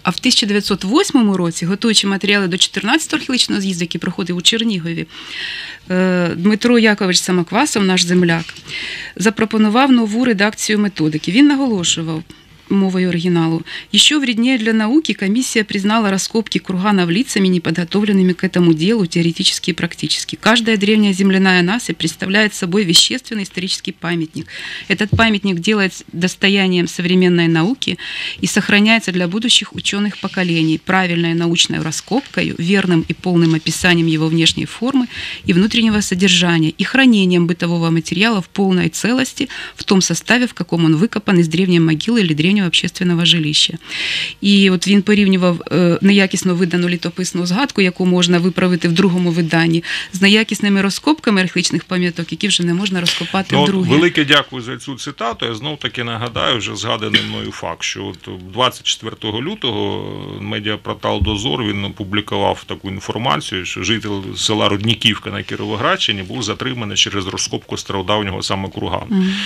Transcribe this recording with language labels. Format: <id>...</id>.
<uk>А в 1908 році, готуючи матеріали до 14-го археологічного з'їзду, який проходив у Чернігові, Дмитро Якович Самоквасов, наш земляк, запропонував нову редакцію методики. Він наголошував мовою оригіналу. Ще в рідні для науки комісія признала розкопки кургана в Лицемі, не підготовленими</uk> <ru>к этому делу теоретически и практически. Каждая древняя земляная насыпь представляет собой вещественный исторический памятник. Этот памятник делается достоянием современной науки и сохраняется для будущих ученых поколений правильной научной раскопкой, верным и полным описанием его внешней формы и внутреннего содержания и хранением бытового материала в полной целости в том составе, в каком он выкопан из древней могилы или древней общественного жилища.</ru> <uk>І от він порівнював неякісно видану літописну згадку, яку можна виправити в другому виданні, з неякісними розкопками археологічних пам'яток, які вже не можна розкопати вдруге. Велике дякую за цю цитату. Я знов-таки нагадаю вже згаданий мною факт, що от 24 лютого медіапортал «Дозор», він опублікував таку інформацію, що житель села Рудніківка на Кіровоградщині був затриманий через розкопку стародавнього самокругану.</uk>